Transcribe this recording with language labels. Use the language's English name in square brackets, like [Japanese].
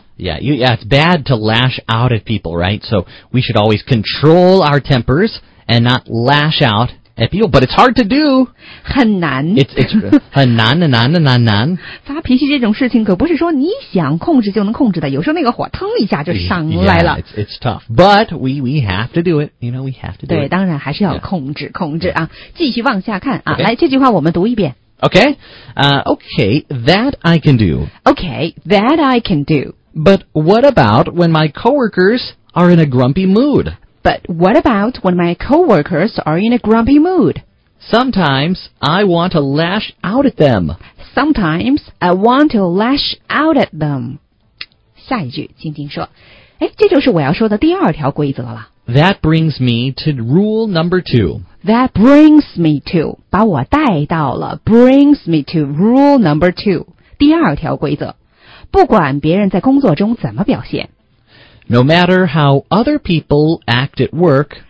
[English] Yeah, it's bad to lash out at people, right? So we should always control our tempers and not lash out. At people, but it's hard to do. [Chinese] 很难。 [English] It's [Chinese] 很难的难的难难。发脾气这种事情可不是说你想控制就能控制的。有时候那个火腾一下就上来了。 [English] Yeah, it's tough. But we have to do it. You know, we have to do [Chinese] 对 [English] it. [Chinese] 对当然还是要控制、 [English] yeah. [Chinese] 控制啊。继续往下看啊。 [English] Okay. [Chinese] 来这句话我们读一遍。 [English] Okay. Okay, that I can do. Okay, that I can do. But what about when my coworkers are in a grumpy mood? But what about when my coworkers are in a grumpy mood? Sometimes I want to lash out at them. Sometimes I want to lash out at them. [Chinese] 下一句，静静说，哎，这就是我要说的第二条规则了。 [English] That brings me to rule number two. That brings me to, [Chinese] 把我带到了 [English] brings me to rule number two, [Chinese] 第二条规则。不管别人在工作中怎么表现， [English] No matter how other people act at work,